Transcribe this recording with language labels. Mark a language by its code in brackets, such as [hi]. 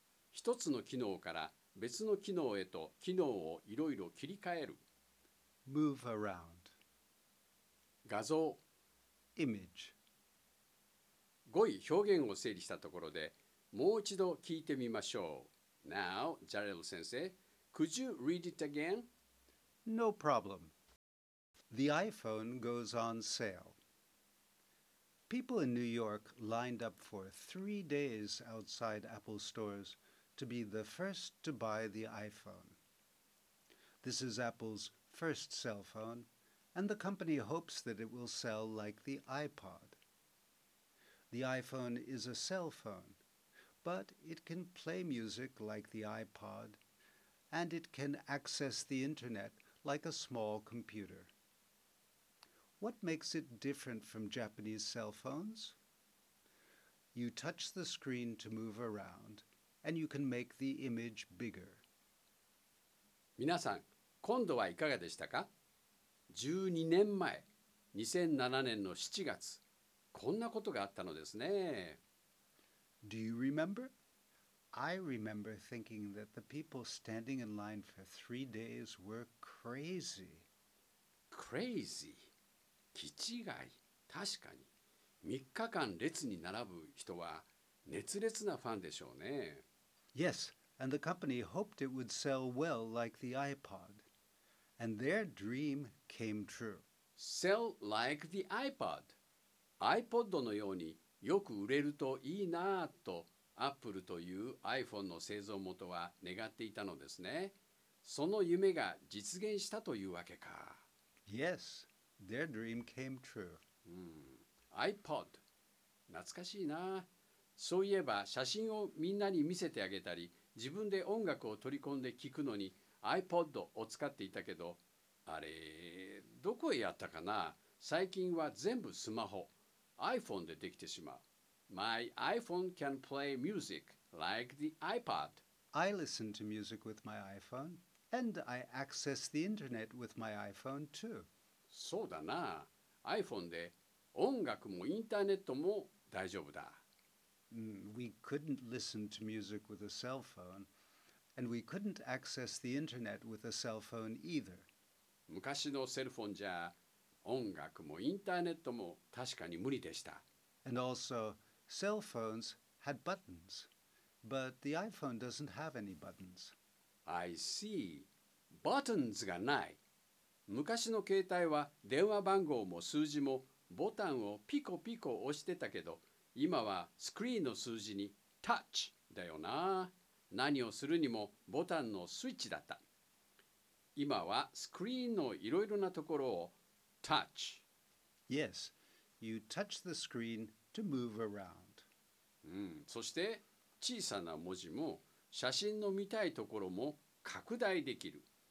[ja] 一つの機能から別の機能へと機能をいろいろ切り替える。 [en] Move around. [ja] 画像。 [en] Image. [ja] 語彙表現を整理したところでもう一度聞いてみましょう。 [en] Now, Jareo 先生, could you read it again? No problem. The iPhone goes on sale. People in New York lined up for 3 days outside Apple stores to be the first to buy the iPhone. This is Apple's first cell phone, and the company hopes that it will sell like the iPod. The iPhone is a cell phone, but it can play music like the iPod, and it can access the internet like a small computer. What makes it different from Japanese cell phones? You touch the screen to move around, and you can make the image bigger. [ja] 皆さん、今度はいかがでしたか ?12 年前、2007年の7月、こんなことがあったのですね。 [en] Do you remember? I remember thinking that the people standing in line for 3 days were crazy. Crazy? [ja] 気違い。確かに。 3日間列に並ぶ人は熱烈なファンでしょうね。 [en] Yes, and the company hoped it would sell well like the iPod. And their dream came true. Sell like the iPod. [ja] iPod のようによく売れるといいなと、Apple という iPhone の製造元は願っていたのですね。その夢が実現したというわけか。 [en] Yes, their dream came true. [ja] iPod。 懐かしいな。そういえば写真をみんなに見せてあげたり、自分で音楽を取り込んで聴くのに iPod を使っていたけど、あれ、どこへやったかな。最近は全部スマホ、iPhone でできてしまう。 [en] My iPhone can play music like the iPod. I listen to music with my iPhone, and I access the internet with my iPhone too. [ja] そうだな。 iPhone で音楽もインターネットも大丈夫だ。 [en] We couldn't listen to music with a cell phone, and we couldn't access the internet with a cell phone either. [ja] 昔のセルフォンじゃ音楽もインターネットも確かに無理でした。 [en] And also, cell phones had buttons, but the iPhone doesn't have any buttons. I see. [ja] Buttons がない。昔の携帯は電話番号も数字もボタンをピコピコ押してたけど、今はスクリーンの数字にタッチだよな。何をするにもボタンのスイッチだった。今はスクリーンのいろいろなところをタッチ。 [en] Yes, you touch the screen to move around. [ja] そして小さな文字も写真の見たいところも拡大できる。